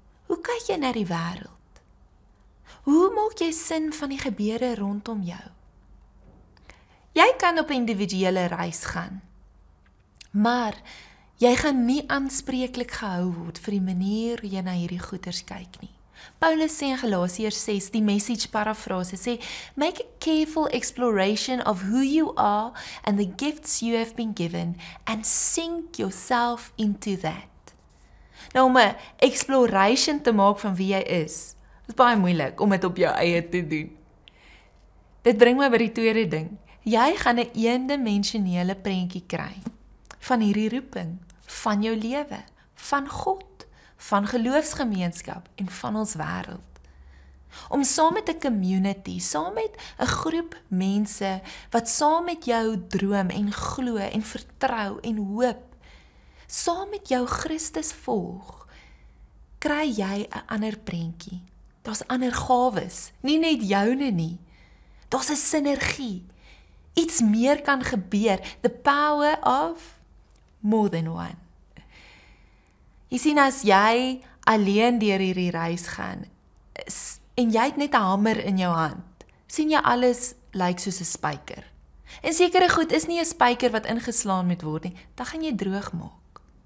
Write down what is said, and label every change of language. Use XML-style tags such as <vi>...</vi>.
<af>Hoe kyk jy na die wêreld? Hoe maak jy sin van die gebeure rondom jou? Jy kan op 'n individuele reis gaan, maar jy gaan nie aanspreeklik gehou word vir die manier hoe jy na hierdie goeters kyk nie. Paulus sê in Galasiërs 6, die message parafrase sê,</af> <en>"Make a careful exploration of who you are and the gifts you have been given and sink yourself into that."</en> <af>Nou om 'n exploration te maak van wie jy is, is baie moeilik om dit op jou eie te doen. Dit bring my by die tweede ding. Jy gaan 'n eendimensionele prentjie kry van hierdie roeping, van jou lewe, van God, van geloofsgemeenskap en van ons wêreld. Om saam met 'n community, saam met 'n groep mense wat saam met jou droom en glo en vertrou en hoop, saam met jou Christus volg, kry jy 'n ander prentjie. Daar's ander gawes, nie net joune nie. Daar's 'n sinergie. Iets meer kan gebeur.</af> <en>The power of more than one.</en> <af>Jy sien, as jy alleen deur hierdie reis gaan, en jy het net 'n hamer in jou hand, sien jy alles lyk soos 'n spyker. En sekere goed is nie 'n spyker wat ingeslaan moet word nie, dan gaan jy droog maak.</af>